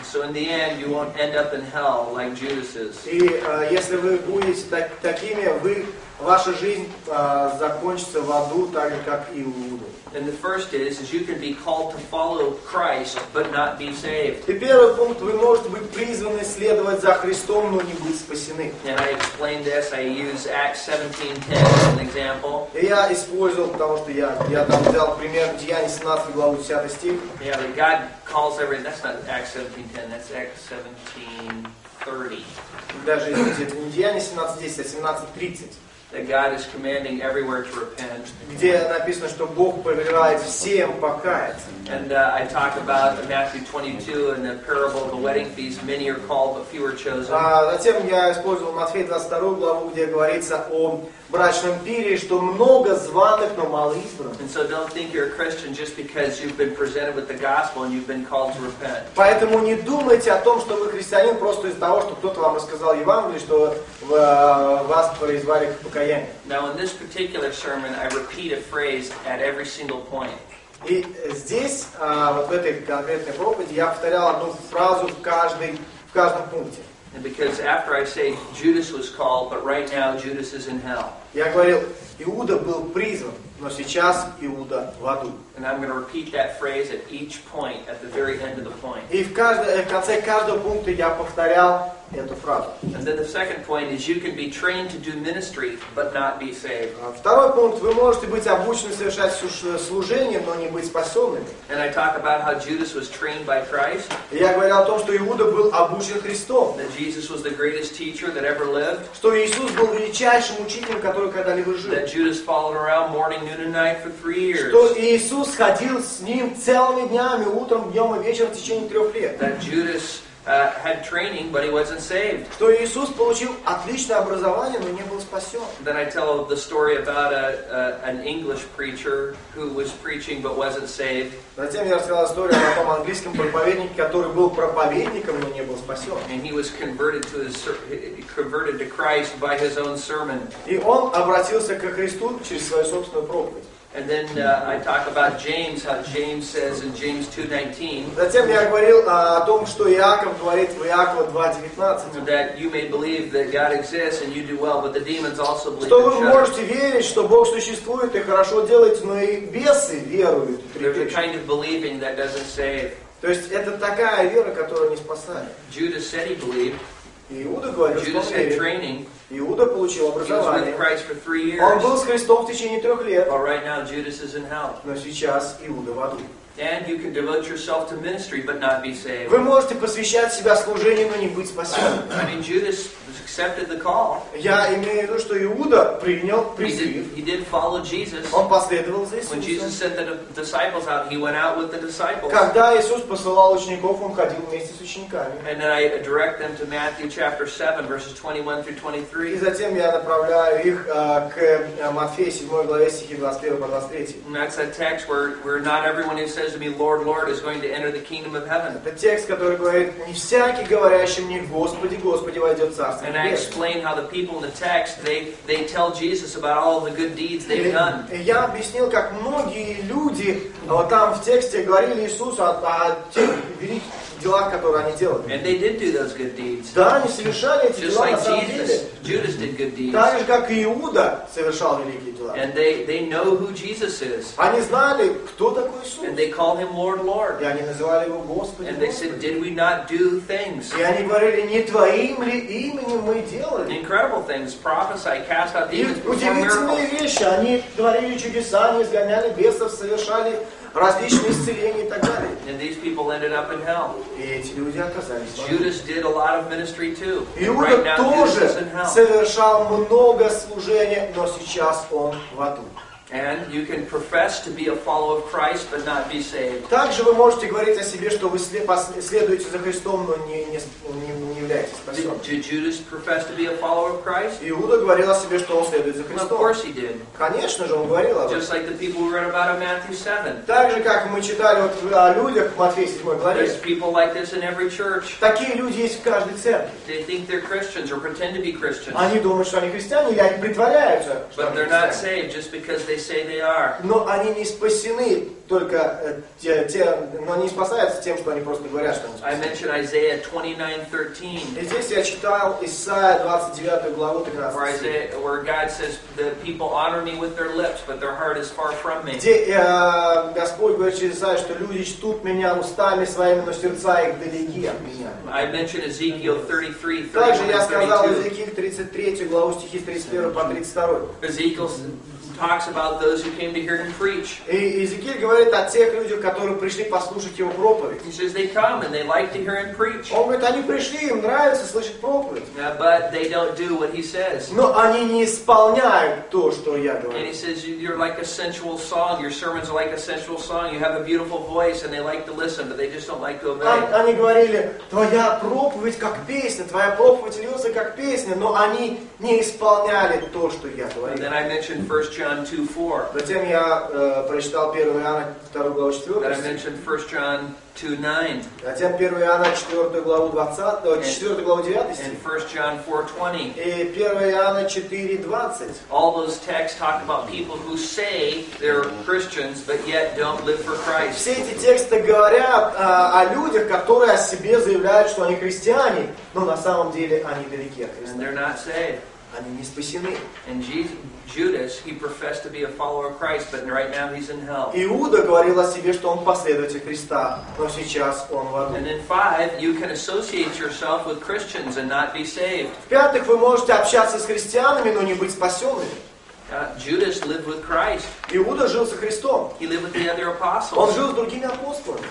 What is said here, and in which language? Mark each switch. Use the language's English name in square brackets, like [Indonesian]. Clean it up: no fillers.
[English] So in the end, you won't end up in hell like Judas is. [Russian] И если вы будете такими, вы ваша жизнь закончится в аду, так же как и Иуда. [English] And the first is you can be called to follow Christ, but not be saved. [Russian] И первый пункт, вы можете быть призваны следовать за Христом, но не быть спасены. [English] And I explained this, I use Acts 17:10 as an example. [Russian] И я использовал, потому что я там взял пример Деяния 17, главу 10 стих. [English] Yeah, but God calls everyone, that's not Acts 17:10, that's Acts 17:30. [Russian] Даже, извините, это не Деяния 17:10, а 17:30. [English] That God is commanding everywhere to repent. [Russian] Где написано, что Бог повелевает всем покаяться. [English] And I talk about the Matthew 22 and the parable of the wedding feast. Many are called, but few are chosen. [Russian] Затем я использовал Матфея 22 главу, где говорится о брачном пире, что много званых, но мало избранных. [English] And so don't think you're a Christian just because you've been presented with the gospel and you've been called to repent. [Russian] Поэтому не думайте о том, что вы христианин просто из-за того, что кто-то вам рассказал Евангелие, что вас призвали к покаянию. [English] Now in this particular sermon, I repeat a phrase at every single point. [Russian] И здесь, вот в этой конкретной проповеди, я повторял одну фразу в каждом пункте. [English] And because after I say Judas was called, but right now Judas is in hell. [Russian] Я говорил, Иуда был призван, но сейчас Иуда в аду. [English] And I'm going to repeat that phrase at each point, at the very end of the point. [Russian] И в конце каждого пункта я повторял эту фразу. [English] And then the second point is you can be trained to do ministry, but not be saved. [Russian] Второй пункт, вы можете быть обучены совершать служение, но не быть способными. [English] And I talk about how Judas was trained by Christ. [Russian] Я говорил о том, что Иуда был обучен Христом. [English] That Jesus was the greatest teacher that ever lived. [Russian] Что Иисус был величайшим учителем, который когда-либо жил. [English] That Judas followed around morning, noon, and night for 3 years. [Russian] Что Иисус ходил с ним целыми днями, утром, днем и вечером в течение 3 лет. [English] That Judas had training, but he wasn't saved. [Russian] Что Иисус получил отличное образование, но не был спасен. [English] Then I tell the story about an English preacher who was preaching but wasn't saved. [Russian] Затем я рассказал историю о том английском проповеднике, который был проповедником, но не был спасен. [English] And he was converted to Christ by his own sermon. [Russian] И он обратился ко Христу через свою собственную проповедь. [English] And then I talk about James, how James says in James 2:19. [Russian] Затем я говорил о том, что Иаков говорит в Иакова 2:19. [English] That you may believe that God exists and you do well, but the demons also believe. [Russian] Что вы можете верить, что Бог существует и хорошо делаете, но и бесы веруют. [English] There's a kind of believing that doesn't save. [Russian] То есть это такая вера, которая не спасает. [English] Judas said he believed. [Russian] Иуда говорит, [English] Judas had training. [Russian] Иуда получил образование. Он был с Христом в течение 3 лет. [English] But right now Judas is in hell. [Russian] Но сейчас Иуда в аду. [English] And you can devote yourself to ministry, but not be saved. [Russian] Вы можете посвящать себя служению, но не быть спасенным. [English] I mean, Judas accepted the call. [Russian] Я имею в виду, что Иуда принял призыв. [English] He did follow Jesus. [Russian] Он последовал за Иисусом. [English] When Jesus sent the disciples out, he went out with the disciples. [Russian] Когда Иисус посылал учеников, он ходил вместе с учениками. [English] And then I direct them to Matthew chapter 7, verses 21 through 23. [Russian] И затем я направляю их к Матфею 7 главе стихи 21 по 23. [English] And that's a text where not everyone who says to me, Lord, Lord, is going to enter the kingdom of heaven. [Russian] Это текст, который говорит, не всякий, говорящий мне, Господи, Господи, войдет в Царство. [English] And I explain how the people in the text, they tell Jesus about all the good deeds they've done. [Russian] Я объяснил, как многие люди там в тексте говорили Иисусу о тех великих делах, которые они делали. [English] And they did do those good deeds. [Russian] Да, они совершали эти дела. [English] Just like Jesus, Judas did good deeds. [Russian] Так же, как и Иуда совершал великие дела. [English] And they know who Jesus is. [Russian] Они знали, кто такой Иисус. [English] And they call him Lord, Lord. [Russian] И они называли его Господь. [English] And they said, did we not do things? [Russian] И они говорили, не твоим ли именем мы делали? [English] Incredible things, prophesy, cast out demons. [Russian] Удивительные вещи, они творили чудеса, они изгоняли бесов, совершали различные исцеления и так далее. [English] And these people ended up in hell. [Russian] И эти люди оказались в аду. [English] Judas did a lot of ministry too. [Russian] Иуда тоже совершал много служения, но сейчас он в аду. [English] And you can profess to be a follower of Christ, but not be saved. [Russian] Также вы можете говорить о себе, что вы следуете за Христом, но не являетесь спасенным. [English] Did Judas profess to be a follower of Christ? [Russian] Иуда говорил о себе, что он следует за Христом. [English] Of course he did. [Russian] Конечно же, он говорил об этом. [English] Just like the people we read about in Matthew 7. [Russian] Так же, как мы читали вот о людях в Матфея 7 главе. [English] There's people like this in every church. [Russian] Такие люди есть в каждой церкви. [English] They think they're Christians or pretend to be Christians. [Russian] Они думают, что они христиане, или они притворяются. [English] But they're not saved just because they say they are. [Russian] Но они не спасены только но они спасаются тем, что они просто говорят, что они спасены. [English] I mentioned Isaiah 29:13. [Russian] И здесь я читал Исаия 29 главу 13. [English] Where God says the people honor me with their lips, but their heart is far from me. [Russian] Где Господь говорит через Исаию, что люди чтут меня устами своими, но сердца их далеки от меня. [English] I mentioned Ezekiel 33. [Russian] Также я сказал Иезекииль 33 главу стихи 31 по 32. [English] Ezekiel talks about those who came to hear him preach. [Russian] Иезекииль говорит о тех людях, которые пришли послушать его проповедь. [English] He says they come and they like to hear him preach. [Russian] Он говорит, они пришли, им нравится слышать проповедь. [English] Yeah, but they don't do what he says. [Russian] Но они не исполняют то, что я говорю. [English] And he says you're like a sensual song. Your sermons are like a sensual song. You have a beautiful voice and they like to listen, but they just don't like to obey. [Russian] Они говорили, твоя проповедь как песня, твоя проповедь льется как песня, но они не исполняли то, что я говорил. [English] And then I mentioned 1 John 2:4. [Russian] Затем я прочитал 1 Иоанна 2 главу 4. [English] Then I mentioned 1 John 2:9. [Russian] Затем 1 Иоанна 4 главу 20, 4 главу 9 стих. [English] And 1 John 4:20. [Russian] И 1 Иоанна 4:20. [English] All those texts talk about people who say they're Christians, but yet don't live for Christ. [Russian] Все эти тексты говорят о людях, которые о себе заявляют, что они христиане, но на самом деле они далеки от Христа. [English] And they're not saved. [Russian] Они не спасены. [English] And Judas, he professed to be a follower of Christ, but right now he's in hell. [Russian] Иуда говорил о себе, что он последователь Христа, но сейчас он в аду. [English] And in 5, you can associate yourself with Christians and not be saved. [Russian] В 5-ых, вы можете общаться с христианами, но не быть спасенными. [English] Judas lived with Christ. [Russian] Иуда жил со Христом. [English] He lived with the other apostles. [Russian] Он жил с другими апостолами.